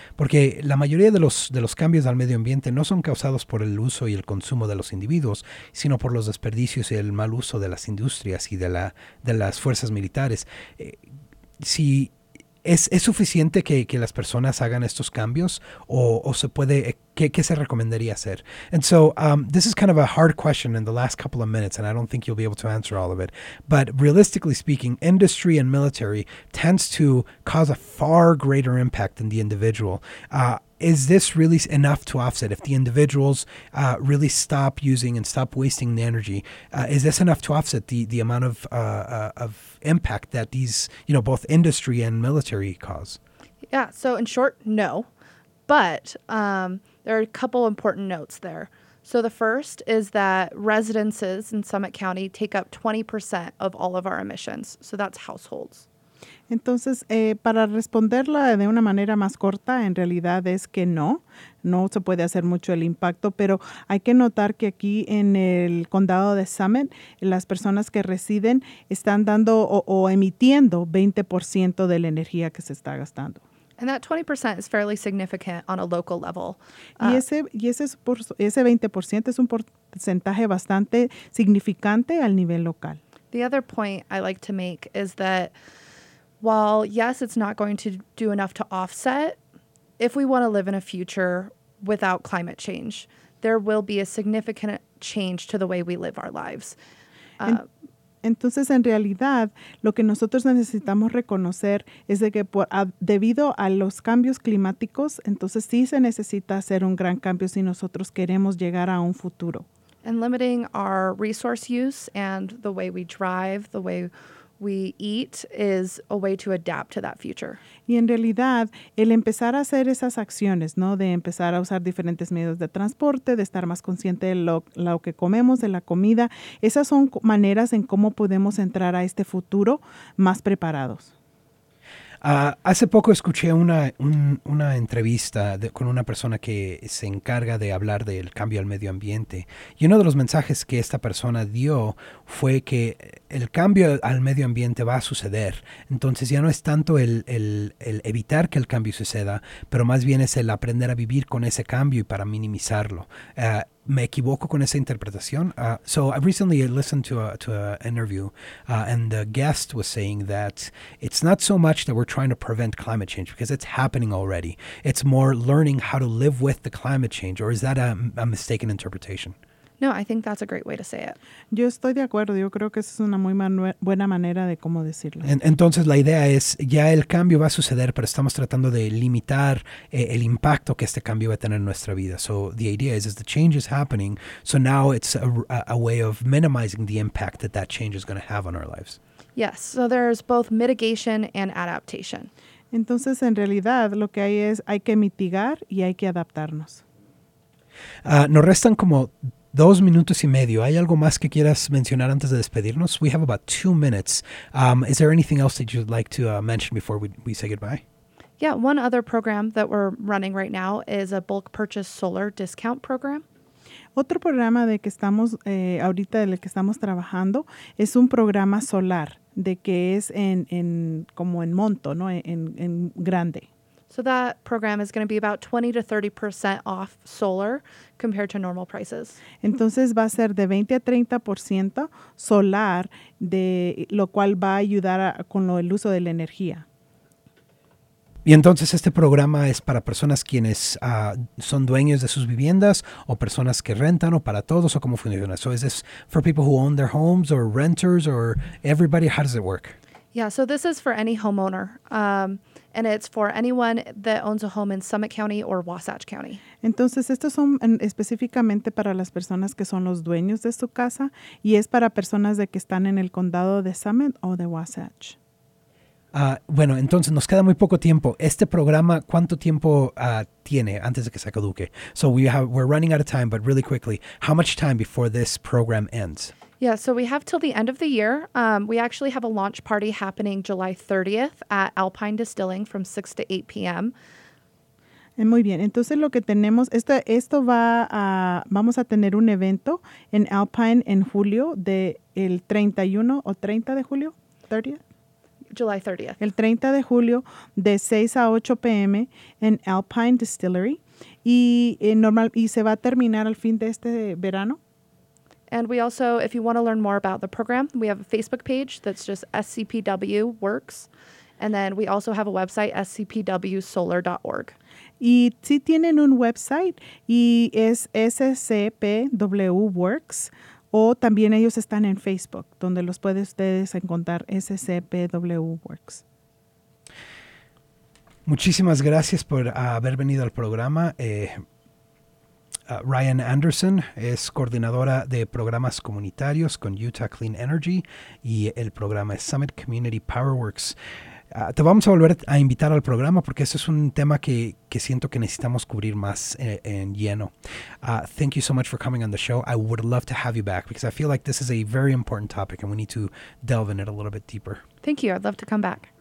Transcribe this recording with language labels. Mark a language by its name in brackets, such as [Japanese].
[Spanish] Porque la mayoría de los cambios al medio ambiente no son causados por el uso y el consumo de los individuos, sino por los desperdicios y el mal uso de las industrias y de las fuerzas militares. Si es suficiente que las personas hagan estos cambios o se puede, ¿qué se recomendaría hacer? [English] And so this is kind of a hard question in the last couple of minutes, and I don't think you'll be able to answer all of it. But realistically speaking, industry and military tends to cause a far greater impact than the individual. Is this really enough to offset? If the individuals really stop using and stop wasting the energy, is this enough to offset the amount of impact that these, you know, both industry and military cause? Yeah, so in short, no. But there are a couple important notes there. So the first is that residences in Summit County take up 20% of all of our emissions. So that's households. [Spanish] Entonces, para responderla de una manera más corta, en realidad es que no se puede hacer mucho el impacto, pero hay que notar que aquí en el condado de Summit, las personas que residen están dando o emitiendo 20% de la energía que se está gastando. [English] And that 20% is fairly significant on a local level. [Spanish] Y ese 20% es un porcentaje bastante significante al nivel local. [English] The other point I like to make is that while, yes, it's not going to do enough to offset, if we want to live in a future without climate change, there will be a significant change to the way we live our lives. [Spanish] Entonces, en realidad, lo que nosotros necesitamos reconocer es de que debido a los cambios climáticos, entonces sí se necesita hacer un gran cambio si nosotros queremos llegar a un futuro. [English] And limiting our resource use and the way we drive, the way we eat is a way to adapt to that future. [Spanish] Y en realidad, el empezar a hacer esas acciones, ¿no? De empezar a usar diferentes medios de transporte, de estar más consciente de lo que comemos, de la comida, esas son maneras en cómo podemos entrar a este futuro más preparados. Hace poco escuché una entrevista con una persona que se encarga de hablar del cambio al medio ambiente. Y uno de los mensajes que esta persona dio fue que el cambio al medio ambiente va a suceder. Entonces ya no es tanto el evitar que el cambio suceda, pero más bien es el aprender a vivir con ese cambio y para minimizarlo. ¿Me equivoco con esa interpretación? [English] So I recently listened to an interview and the guest was saying that it's not so much that we're trying to prevent climate change because it's happening already. It's more learning how to live with the climate change. Or is that a mistaken interpretation? No, I think that's a great way to say it. [Spanish] Yo estoy de acuerdo. Yo creo que esa es una muy buena manera de cómo decirlo. Entonces la idea es, ya el cambio va a suceder, pero estamos tratando de limitar el impacto que este cambio va a tener en nuestra vida. [English] So the idea is the change is happening, so now it's a way of minimizing the impact that change is going to have on our lives. Yes, so there's both mitigation and adaptation. [Spanish] Entonces en realidad lo que hay es, hay que mitigar y hay que adaptarnos. Nos restan como 2 minutos y medio. ¿Hay algo más que quieras mencionar antes de despedirnos? [English] We have about 2 minutes. Is there anything else that you'd like to mention before we say goodbye? Yeah, one other program that we're running right now is a bulk purchase solar discount program. [Spanish] Otro programa de que estamos ahorita, del que estamos trabajando, es un programa solar, de que es en como en monto, ¿no? En grande. [English] So that program is going to be about 20 to 30% off solar compared to normal prices. [Spanish] Entonces va a ser de 20 a 30% solar, de lo cual va a ayudar con el uso de la energía. Y entonces este programa es para personas quienes son dueños de sus viviendas o personas que rentan o para todos o cómo funciona. [English] So is this for people who own their homes or renters or everybody? How does it work? Yeah, so this is for any homeowner. And it's for anyone that owns a home in Summit County or Wasatch County. [Spanish] Entonces, estos son específicamente para las personas que son los dueños de su casa y es para personas de que están en el condado de Summit o de Wasatch. Bueno, entonces nos queda muy poco tiempo. Este programa, ¿cuánto tiempo tiene antes de que se caduque? [English] So we're running out of time, but really quickly, how much time before this program ends? Yeah, so we have till the end of the year. We actually have a launch party happening July 30th at Alpine Distilling from 6 to 8 p.m. [Spanish] Muy bien. Entonces lo que tenemos, esto va a, vamos a tener un evento en Alpine en julio de el 31 o 30 de julio, 30th? [English] July 30th. [Spanish] El 30 de julio de 6 a 8 p.m. en Alpine Distillery. Y se va a terminar al fin de este verano. [English] And we also, if you want to learn more about the program, we have a Facebook page that's just SCPW Works. And then we also have a website, scpwsolar.org. [Spanish] Y sí tienen un website y es SCPW Works. O también ellos están en Facebook, donde los puede ustedes encontrar, SCPW Works. Muchísimas gracias por haber venido al programa. Ryan Anderson es coordinadora de programas comunitarios con Utah Clean Energy y el programa es Summit Community Powerworks. Te vamos a volver a invitar al programa porque ese es un tema que siento que necesitamos cubrir más en lleno. [English] Thank you so much for coming on the show. I would love to have you back because I feel like this is a very important topic and we need to delve in it a little bit deeper. Thank you. I'd love to come back.